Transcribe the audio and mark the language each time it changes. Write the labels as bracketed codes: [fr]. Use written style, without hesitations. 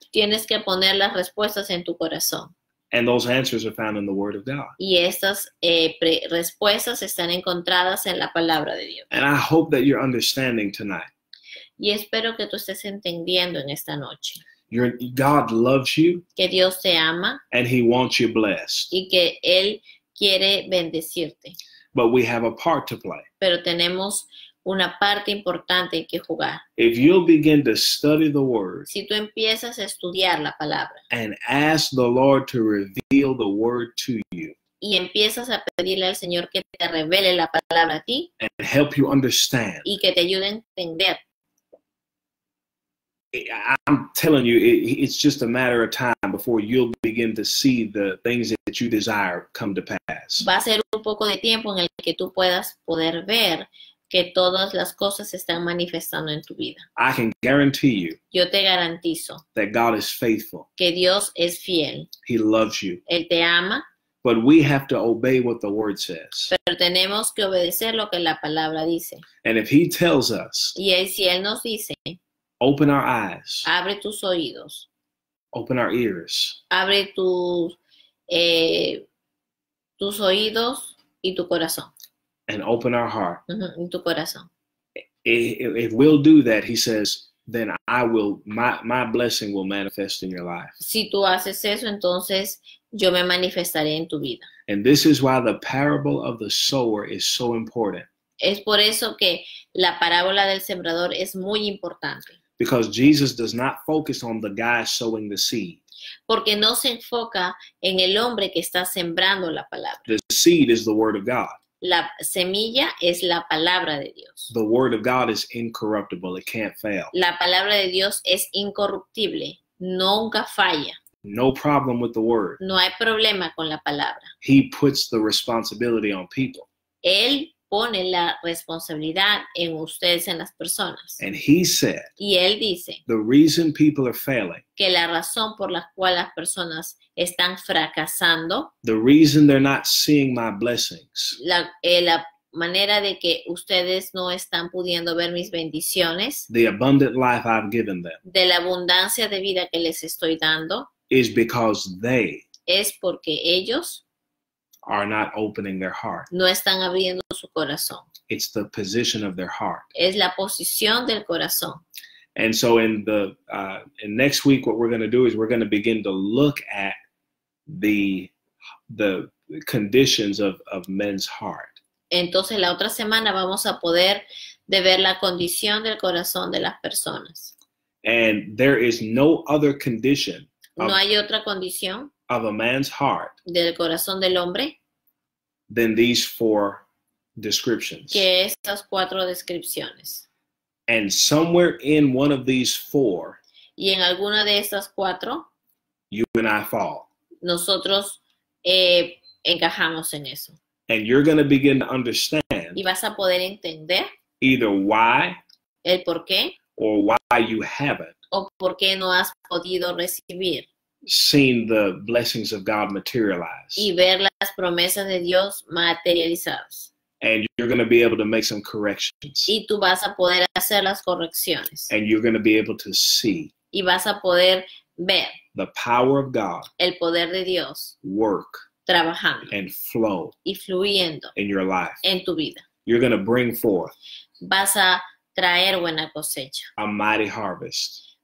[es] Tienes que poner las respuestas en tu corazón. [en] And those answers are found in the Word of God. [es] Y estas respuestas están encontradas en la palabra de Dios. [en] And I hope that you're understanding tonight. [es] Y espero que tú estés entendiendo en esta noche. [en] God loves you. [es] Que Dios te ama. [en] And he wants you blessed. [es] Y que él quiere bendecirte. [en] But we have a part to play. [es] Pero tenemos una parte importante que jugar. [en] If you'll begin to study the word. [es] Si tú empiezas a estudiar la palabra. [en] And ask the Lord to reveal the word to you. [es] Y empiezas a pedirle al Señor que te revele la palabra a ti. [en] And help you understand. [es] Y que te ayude a entender. [en] I'm telling you, it's just a matter of time before you'll begin to see the things that you desire come to pass. [es] Va a ser un poco de tiempo en el que tú puedas poder ver que todas las cosas se están manifestando en tu vida. [en] I can guarantee you. [es] Yo te garantizo. [en] That God is faithful. [es] Que Dios es fiel. [en] He loves you. [es] Él te ama. [en] But we have to obey what the word says. [es] Pero tenemos que obedecer lo que la palabra dice. [en] And if he tells us. [es] Y él, si él nos dice. [en] Open our eyes. [es] Abre tus oídos. [en] Open our ears. [es] Abre tus oídos y tu corazón. [en] And open our heart. [es] Y tu corazón. [en] If we'll do that, he says, then I will, my blessing will manifest in your life. [es] Si tú haces eso, entonces yo me manifestaré en tu vida. [en] And this is why the parable of the sower is so important. [es] Es por eso que la parábola del sembrador es muy importante. [en] Because Jesus does not focus on the guy sowing the seed. [es] Porque no se enfoca en el hombre que está sembrando la palabra. [en] The seed is the word of God. [es] La semilla es la palabra de Dios. [en] The word of God is incorruptible. It can't fail. [es] La palabra de Dios es incorruptible. Nunca falla. [en] No problem with the word. [es] No hay problema con la palabra. [en] He puts the responsibility on people. [es] Él pone la responsabilidad en ustedes, en las personas. [en] And he said, [es] y él dice, [en] the reason people are failing, [es] que la razón por la cual las personas están fracasando, [en] the reason they're not seeing my blessings, [es] la manera de que ustedes no están pudiendo ver mis bendiciones, [en] the abundant life I've given them, [es] de la abundancia de vida que les estoy dando, [en] is because they [es] es porque ellos [en] are not opening their heart. [es] No están abriendo su corazón. [en] It's the position of their heart. [es] Es la posición del corazón. [en] And so in the in next week, what we're going to do is we're going to begin to look at the conditions of men's heart. [es] Entonces la otra semana vamos a poder de ver la condición del corazón de las personas. [en] And there is no other condition. [es] No hay otra condición. [en] Of a man's heart, [es] del corazón del hombre, [en] than these four descriptions. [es] Que estas cuatro descripciones. [en] And somewhere in one of these four, [es] y en alguna de estas cuatro, [en] you and I fall. [es] Nosotros encajamos en eso. [en] And you're going to begin to understand, [es] y vas a poder entender, [en] either why, [es] el por qué, [en] or why you haven't, [es] o por qué no has podido recibir. [en] Seen the blessings of God materialize. [es] Y ver las promesas de Dios materializadas. [en] And you're going to be able to make some corrections. [es] Y tú vas a poder hacer las correcciones. [en] And you're going to be able to see. [es] Y vas a poder ver. [en] The power of God. [es] El poder de Dios. [en] Work. [es] Trabajando. [en] And flow. [es] Y fluyendo. [en] In your life. [es] En tu vida. [en] You're going to bring forth. [es] Vas a traer buena cosecha. [en] A mighty harvest.